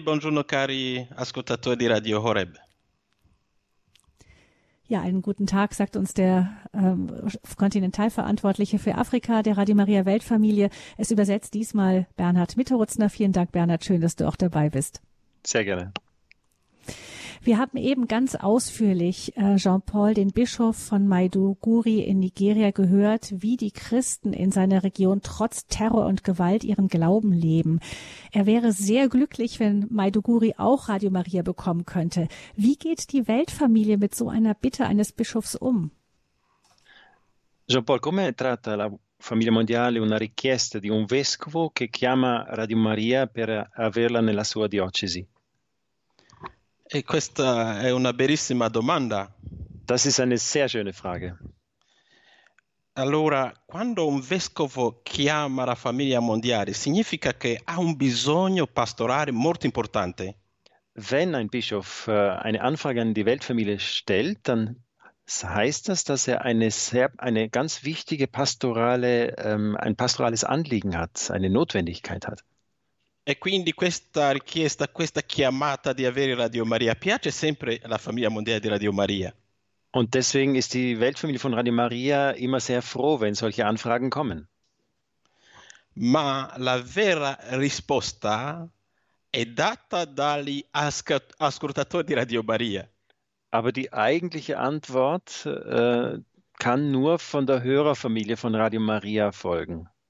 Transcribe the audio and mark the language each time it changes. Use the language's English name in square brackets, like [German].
[Italian] Buongiorno, cari ascoltatori di Radio Horeb. [German] Ja, einen guten Tag, sagt uns der Kontinentalverantwortliche für Afrika der Radio Maria Weltfamilie. Es übersetzt diesmal Bernhard Mitterutzner. Vielen Dank, Bernhard. Schön, dass du auch dabei bist. Sehr gerne. Wir haben eben ganz ausführlich Jean-Paul, den Bischof von Maiduguri in Nigeria, gehört, wie die Christen in seiner Region trotz Terror und Gewalt ihren Glauben leben. Er wäre sehr glücklich, wenn Maiduguri auch Radio Maria bekommen könnte. Wie geht die Weltfamilie mit so einer Bitte eines Bischofs um? [Italian] Jean-Paul, come tratta la Famiglia Mondiale una richiesta di un vescovo che chiama Radio Maria per averla nella sua diocesi? E questa è una bellissima domanda. [German] Das ist eine sehr schöne Frage. [Italian] Allora, quando un vescovo chiama la Famiglia Mondiale, significa che ha un bisogno pastorale molto importante. [German] Wenn ein Bischof eine Anfrage an die Weltfamilie stellt, dann heißt das, dass er ein ganz wichtiges pastorales Anliegen hat, eine Notwendigkeit hat. [Italian] E quindi questa richiesta, questa chiamata di avere Radio Maria piace sempre alla Famiglia Mondiale di Radio Maria. [German] Und deswegen ist die Weltfamilie von Radio Maria immer sehr froh, wenn solche Anfragen kommen. [Italian] Ma la vera risposta è data dagli ascoltatori di Radio Maria. [German] Aber die eigentliche Antwort kann nur von der Hörerfamilie von Radio Maria folgen.